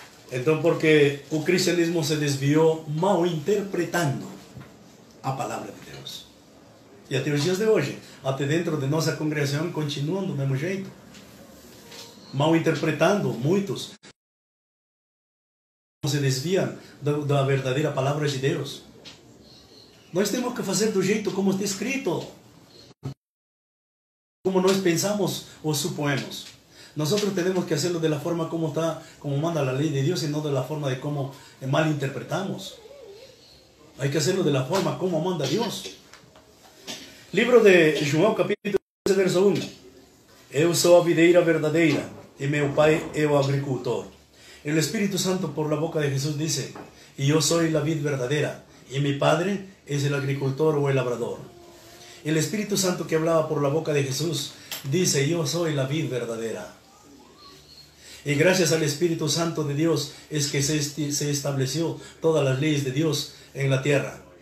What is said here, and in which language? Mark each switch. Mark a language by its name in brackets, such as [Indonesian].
[Portuguese] Então, porque o cristianismo se desviou mal interpretando a palavra de Deus. E até os dias de hoje, até dentro de nossa congregação, continuam do mesmo jeito. Mal interpretando muitos. [Spanish] Se desvían de la verdadera palabra de Dios. [Portuguese] Nós temos que fazer do jeito como está escrito, como nós pensamos ou suponemos. [Spanish] Nosotros tenemos que hacerlo de la forma como está, como manda la ley de Dios, y no de la forma de cómo malinterpretamos. Hay que hacerlo de la forma como manda Dios. Libro de João, capítulo 13, verso 1. [Portuguese] Eu sou a videira verdadeira, e meu pai é o agricultor. [Spanish] El Espíritu Santo, por la boca de Jesús, dice: y yo soy la vid verdadera, y mi padre es el agricultor o el labrador. El Espíritu Santo, que hablaba por la boca de Jesús, dice: yo soy la vid verdadera. Y gracias al Espíritu Santo de Dios es que se estableció todas las leyes de Dios en la tierra.